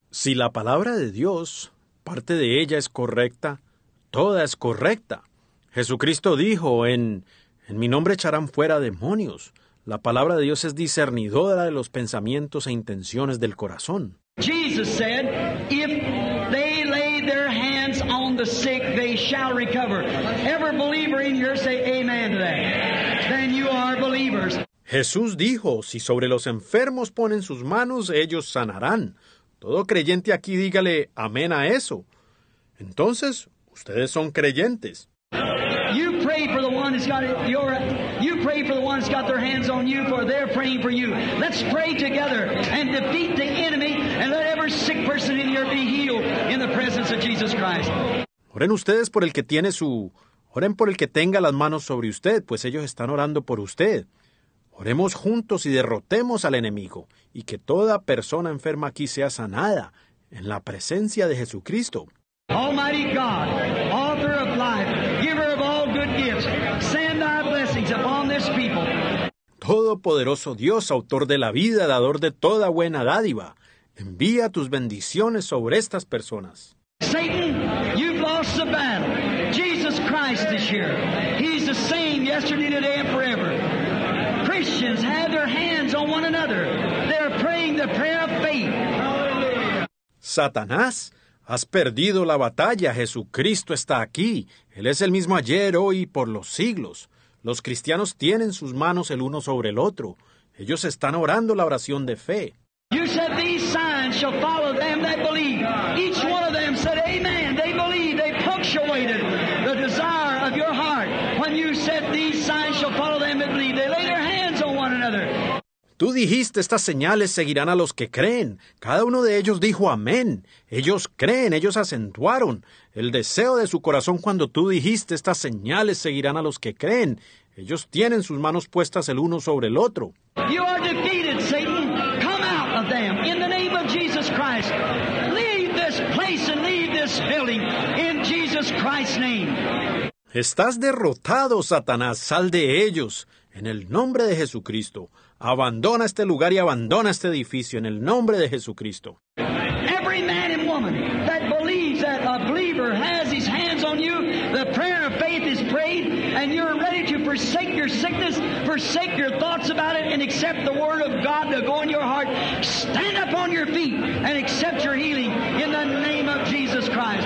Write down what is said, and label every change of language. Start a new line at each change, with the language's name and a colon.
Spanish: Si la palabra de Dios, parte de ella es correcta, toda es correcta. Jesucristo dijo, en mi nombre echarán fuera demonios. La palabra de Dios es discernidora de los pensamientos e intenciones del corazón.
English: Jesus said, if they lay their hands on the sick, they shall recover. Every believer in here say amen to that. Then you are believers.
Spanish: Jesús dijo, si sobre los enfermos ponen sus manos, ellos sanarán. Todo creyente aquí dígale amén a eso. Entonces, ustedes son creyentes.
English: You pray for the one that's got your you pray for the one that's got their hands on you, for they're praying for you. Let's pray together and defeat the enemy and let every sick person in here be healed in the presence of Jesus Christ.
Spanish: Oren ustedes por el que tiene su oren por el que tenga las manos sobre usted, pues ellos están orando por usted. Oremos juntos y derrotemos al enemigo y que toda persona enferma aquí sea sanada en la presencia de Jesucristo.
English: Almighty God, author of life, giver of all good gifts, send thy blessings upon this people.
Spanish: Todopoderoso Dios, autor de la vida, dador de toda buena dádiva, envía tus bendiciones sobre estas personas.
English: Satan, you've lost the battle. Jesus Christ is here. He's the same yesterday, today, and forever. Christians have their hands on one another. They're praying the prayer of faith. Hallelujah.
Spanish: Satanás, has perdido la batalla. Jesucristo está aquí. Él es el mismo ayer, hoy y por los siglos. Los cristianos tienen sus manos el uno sobre el otro. Ellos están orando la oración de fe.
English: You said these signs shall follow them that believe. Each one of them said, amen. They believe. They punctuated the desire of your heart. When you said these signs shall follow them that believe, they laid their hands on one another.
Spanish: Tú dijiste, estas señales seguirán a los que creen. Cada uno de ellos dijo amén. Ellos creen, ellos acentuaron el deseo de su corazón cuando tú dijiste, estas señales seguirán a los que creen. Ellos tienen sus manos puestas el uno sobre el otro.
English: You are defeated, Satan. Come out of them in the name of Jesus Christ. Leave this place and leave this building in Jesus Christ's name.
Spanish: Estás derrotado, Satanás. Sal de ellos en el nombre de Jesucristo. Abandona este lugar y abandona este edificio en el nombre de Jesucristo.
English: Every man and woman that believes that a believer has his hands on you, the prayer of faith is prayed, and you're ready to forsake your sickness, forsake your thoughts about it, and accept the word of God to go in your heart. Stand up on your feet and accept your healing in the name of Jesus Christ.